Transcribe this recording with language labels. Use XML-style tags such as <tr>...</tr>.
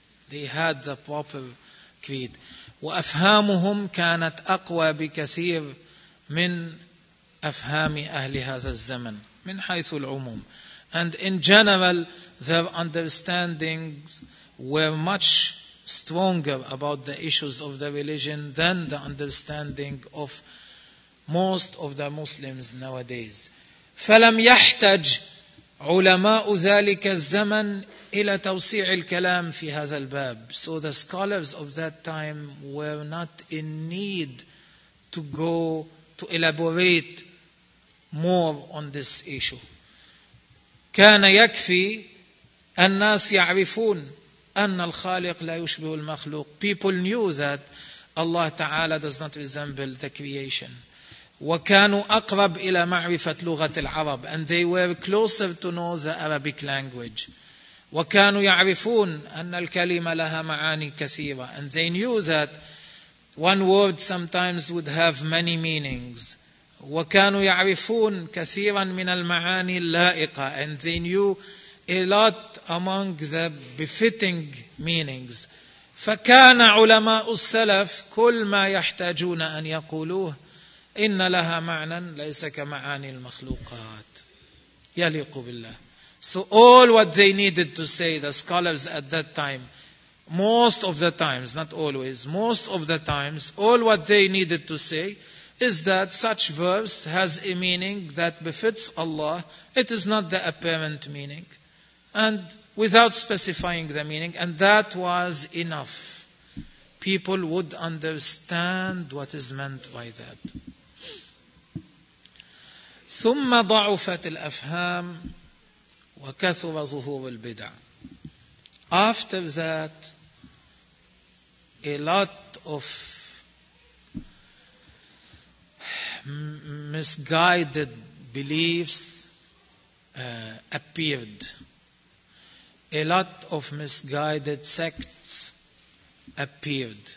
<en>They had the proper creed.</en> <ar>وأفهامهم كانت أقوى بكثير من أفهام أهل هذا الزمن من حيث العموم.</ar> <en>And in general, their understandings were much stronger about the issues of the religion than the understanding of most of the Muslims nowadays.</en> <ar>فَلَمْ يَحْتَجْ عُلَمَاءُ ذَلِكَ الزَّمَنِ إِلَى تَوْسِيعِ الْكَلَامِ فِي هَذَا الْبَابِ.</ar> <en>So the scholars of that time were not in need to go to elaborate more on this issue.</en> <ar>كان يكفي الناس يعرفون أن الخالق لا يشبه المخلوق.</ar> <en>People knew that Allah Ta'ala does not resemble the creation.</en> <ar>وكانوا أقرب إلى معرفة لغة العرب.</ar> <en>And they were closer to know the Arabic language.</en> <ar>وكانوا يعرفون أن الكلمة لها معاني كثيرة.</ar> <en>And they knew that one word sometimes would have many meanings.</en> <ar>وكانوا يعرفون كثيرا من المعاني اللائقة.</ar> <en>And they knew a lot among the befitting meanings.</en> <ar>فكان علماء السلف كل ما يحتاجون أن يقولوه إن لها معنى ليس كمعاني المخلوقات يليق بالله.</ar> <en>So all what they needed to say, the scholars at that time, most of the times, not always, most of the times, all what they needed to say is that such verse has a meaning that befits Allah. It is not the apparent meaning. And without specifying the meaning, and that was enough. People would understand what is meant by that.</en> <ar>ثم ضعفت الأفهام وكثر ظهور البدع.</ar> <en>After that, a lot of misguided beliefs appeared. A lot of misguided sects appeared.</en>